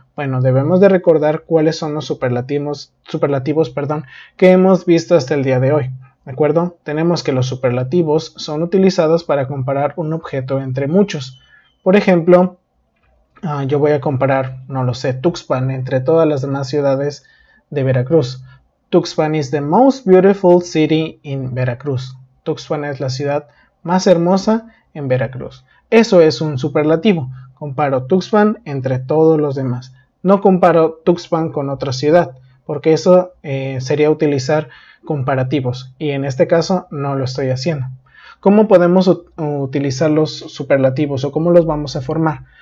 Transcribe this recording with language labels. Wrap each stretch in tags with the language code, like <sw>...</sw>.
<es>Bueno, debemos de recordar cuáles son los superlativos, que hemos visto hasta el día de hoy. ¿De acuerdo? Tenemos que los superlativos son utilizados para comparar un objeto entre muchos. Por ejemplo, yo voy a comparar, no lo sé, Tuxpan entre todas las demás ciudades de Veracruz.</es> <en>Tuxpan is the most beautiful city in Veracruz.</en> <es>Tuxpan es la ciudad más hermosa en Veracruz. Eso es un superlativo. Comparo Tuxpan entre todos los demás. No comparo Tuxpan con otra ciudad, porque eso sería utilizar comparativos. Y en este caso no lo estoy haciendo. ¿Cómo podemos utilizar los superlativos o cómo los vamos a formar?</es>